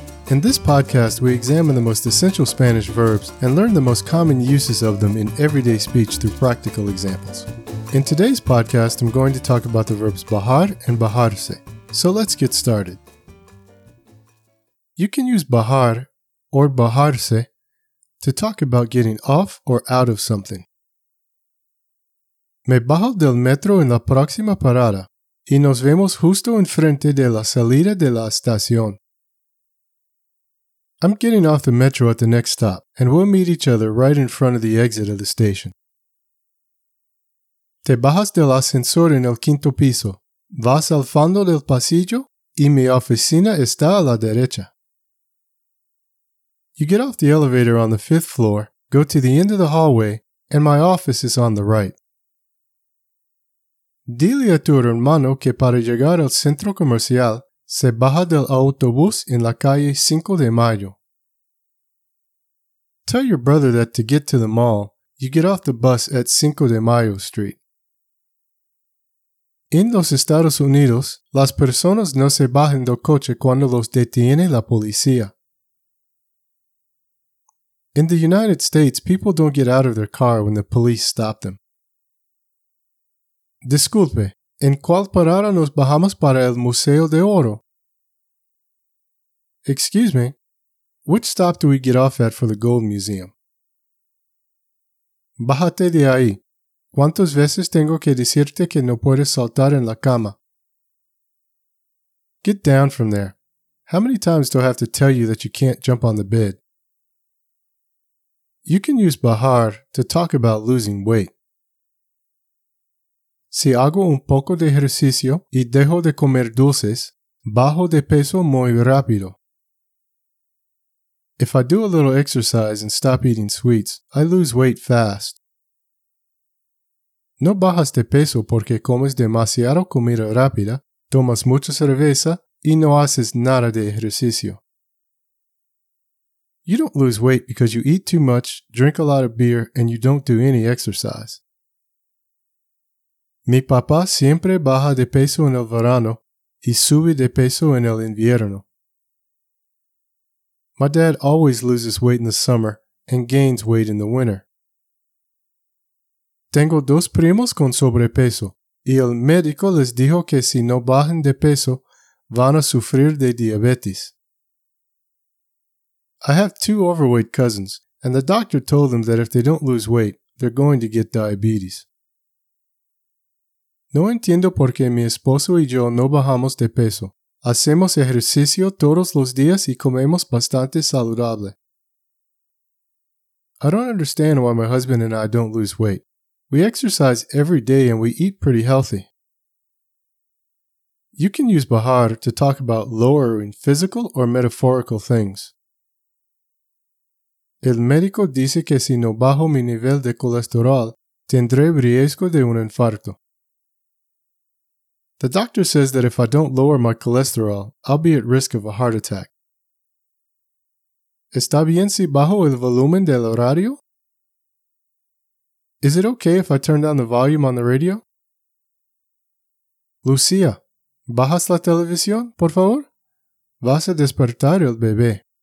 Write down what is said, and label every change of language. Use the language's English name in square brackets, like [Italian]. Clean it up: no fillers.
[English] In this podcast, we examine the most essential Spanish verbs and learn the most common uses of them in everyday speech through practical examples. In today's podcast, I'm going to talk about the verbs bajar and bajarse. So let's get started. You can use bajar or bajarse to talk about getting off or out of something. [Spanish] Me bajo del metro en la próxima parada. Y nos vemos justo enfrente de la salida de la estación. [English] I'm getting off the metro at the next stop, and we'll meet each other right in front of the exit of the station. [Spanish] Te bajas del ascensor en el quinto piso. Vas al fondo del pasillo, y mi oficina está a la derecha. [English] You get off the elevator on the fifth floor, go to the end of the hallway, and my office is on the right. [Spanish] Dile a tu hermano que para llegar al centro comercial, se baja del autobús en la calle 5 de Mayo. [English] Tell your brother that to get to the mall, you get off the bus at 5 de Mayo Street. [Spanish] En los Estados Unidos, las personas no se bajan del coche cuando los detiene la policía. [English] In the United States, people don't get out of their car when the police stop them. [Spanish] Disculpe, ¿en cuál parada nos bajamos para el Museo de Oro? [English] Excuse me, which stop do we get off at for the Gold Museum? [Spanish] Bájate de ahí. ¿Cuántas veces tengo que decirte que no puedes saltar en la cama? [English] Get down from there. How many times do I have to tell you that you can't jump on the bed? You can use bajar to talk about losing weight. [Spanish] Si hago un poco de ejercicio y dejo de comer dulces, bajo de peso muy rápido. [English] If I do a little exercise and stop eating sweets, I lose weight fast. [Spanish] No bajas de peso porque comes demasiado comida rápida, tomas mucha cerveza y no haces nada de ejercicio. [English] You don't lose weight because you eat too much, drink a lot of beer, and you don't do any exercise. [Spanish] Mi papá siempre baja de peso en el verano y sube de peso en el invierno. [English] My dad always loses weight in the summer and gains weight in the winter. [Spanish] Tengo dos primos con sobrepeso y el médico les dijo que si no bajan de peso van a sufrir de diabetes. [English] I have two overweight cousins and the doctor told them that if they don't lose weight, they're going to get diabetes. [Spanish] No entiendo por qué mi esposo y yo no bajamos de peso. Hacemos ejercicio todos los días y comemos bastante saludable. [English] I don't understand why my husband and I don't lose weight. We exercise every day and we eat pretty healthy. You can use bajar to talk about lowering physical or metaphorical things. [Spanish] El médico dice que si no bajo mi nivel de colesterol, tendré riesgo de un infarto. [English] The doctor says that if I don't lower my cholesterol, I'll be at risk of a heart attack. [Spanish] ¿Está bien si bajo el volumen del radio? [English] Is it okay if I turn down the volume on the radio? [Spanish] Lucía, ¿bajas la televisión, por favor? Vas a despertar el bebé.